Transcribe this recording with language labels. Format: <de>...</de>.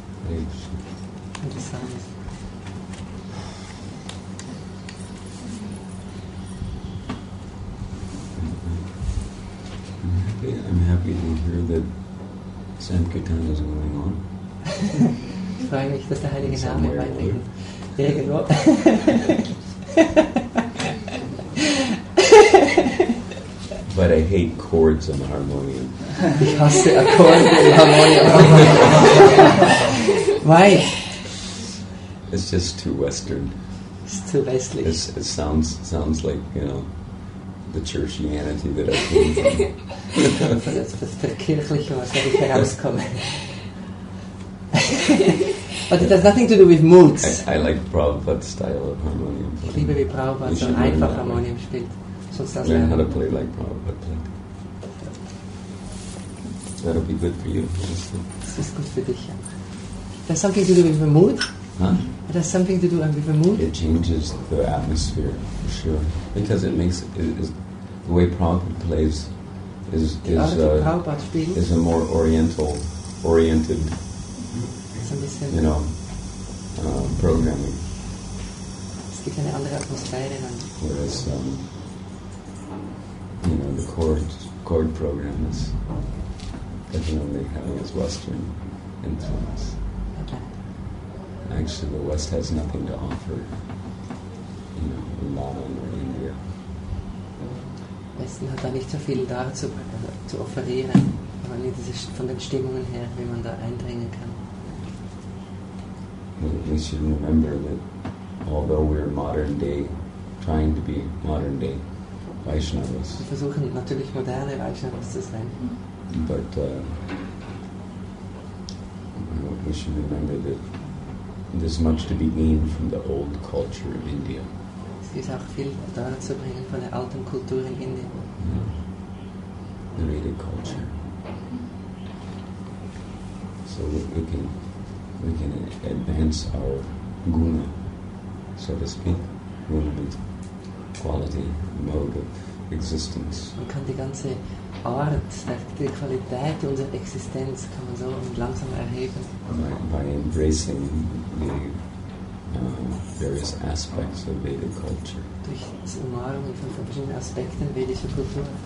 <en>I'm happy to hear that Sankirtan is going on.</en> <de>Ich freue mich, dass der Heilige Name in meinem Leben irgendwo.</de> <en>But I hate chords on the harmonium.</en> <de>Ich hasse Akkorde im Harmonium.</de> <en>Why? It's just too Western. It's too westlich. It sounds like, you know, the churchianity that I came from.</en> <de>Das ist das Kirchliche, was da herauskomme.</de> <en>But it has nothing to do with moods. I like Prabhupada's style of harmonium playing.</en> <de>Ich liebe, wie Prabhupada so einfach harmonium spielt.</de> <en>Learn how to play like Prabhupada played. That'll be good for you.</en> <de>Das ist gut für dich, ja.</de> <en>It has something to do with the mood. Huh? It has something to do with the mood. It changes the atmosphere, for sure. Because it makes it the way Prabhupada plays is a more oriented. You know, programming.</en> <de>Es gibt eine andere Atmosphäre.</de> <en>Whereas, you know, the chord program is definitely having its Western influence. Okay. Actually, the West has nothing to offer, you know, in modern or India.</en> <de>Westen hat da nicht so viel dazu zu offerieren, aber nicht von den Stimmungen her, wie man da eindringen kann.</de> <en>We should remember that although we're modern day, trying to be modern day Vaishnavas.</en> <de>Wir versuchen natürlich moderne Vaishnavas zu sein.</de> <en>But we should remember that there's much to be gained from the old culture of India.</en> <de>Es ist auch viel daran zu bringen von der alten Kultur in Indien.</de> <en>The Vedic culture. So we can advance our guna, so to speak, guna means quality, mode of existence.</en> <de>Man kann die ganze Art, die Qualität unserer Existenz, kann man so langsam erheben.</de> <en>By embracing the various aspects of Vedic culture.</en> <de>Durch das Umarmen von verschiedenen Aspekten vedischer Kultur.</de>